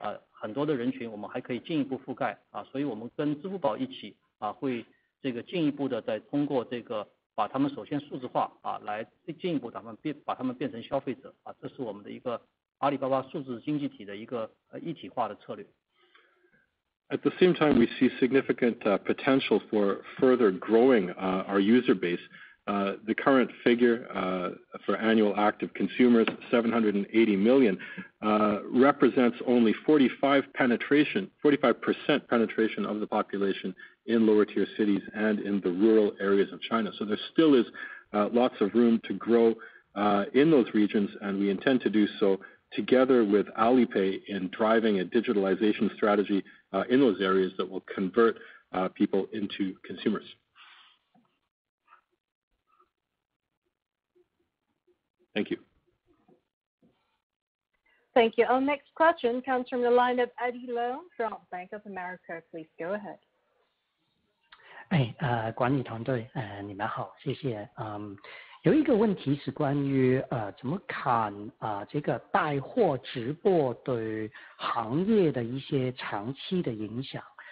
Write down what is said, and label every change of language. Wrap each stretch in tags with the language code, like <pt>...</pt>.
<zh>很多的人群我们还可以进一步覆盖，所以我们跟支付宝一起，会进一步的再通过这个把他们首先数字化，来进一步把他们变成消费者，这是我们的一个阿里巴巴数字经济体的一个一体化的策略。</zh> <en>At the same time, we see significant potential for further growing our user base. The current figure for annual active consumers, 780 million, represents only 45% penetration of the population in lower tier cities and in the rural areas of China. So there still is lots of room to grow in those regions, and we intend to do so together with Alipay in driving a digitalization strategy in those areas that will convert people into consumers. Thank you. Thank you. Our next question comes from the line of Eddie Leung from Bank of America. Please go ahead.</en> <zh>Hey, 管理团队，你们好，谢谢。有一个问题是关于怎么看这个带货直播对行业的一些长期的影响。</zh>